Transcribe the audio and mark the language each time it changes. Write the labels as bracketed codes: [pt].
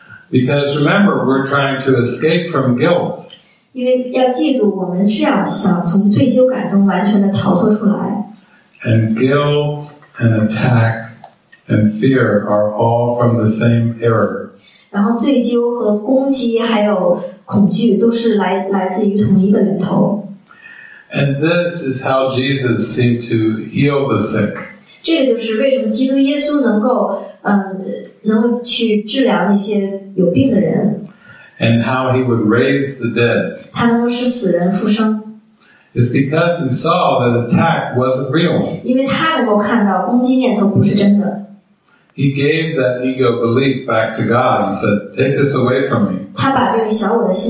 [en] Because remember, we're trying to escape from guilt. And guilt and attack and fear are all from the same error. [zh] 然后罪疚和攻击还有恐惧都是来自于同一个源头。 [en] And this is how Jesus seemed to heal the sick. [zh] 这个就是为什么基督耶稣能够去治疗那些有病的人。 [en] And how he would raise the dead. [zh] 他能够使死人复生。 [en] It's because he saw that attack wasn't real. [zh] 因为他能够看到攻击念头不是真的。 [en] He gave that ego belief back to God and said, take this away from me.